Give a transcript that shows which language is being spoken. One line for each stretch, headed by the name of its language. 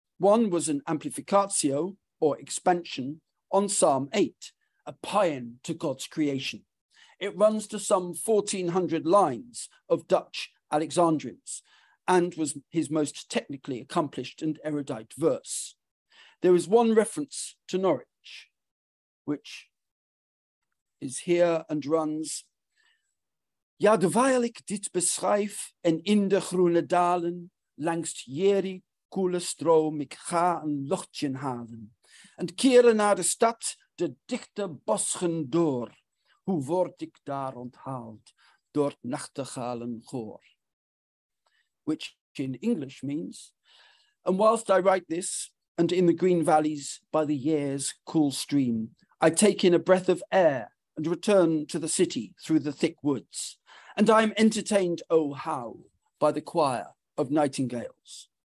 English: One was an amplificatio, or expansion, on Psalm 8, a paean to God's creation. It runs to some 1,400 lines of Dutch Alexandrines and was his most technically accomplished and erudite verse. There is one reference to Norwich, which is here and runs,
Dutch: Ja, dewijl ik dit beschrijf en in de groene dalen langs jerry koele stroom ik ga een luchtje halen en keren naar de stad de dichte bosgen door, hoe word ik daar onthaald door nachtegalen goor?
English: Which in English means, and whilst I write this, and in the green valleys by the year's cool stream, I take in a breath of air and return to the city through the thick woods. And I am entertained, oh how, by the choir of nightingales.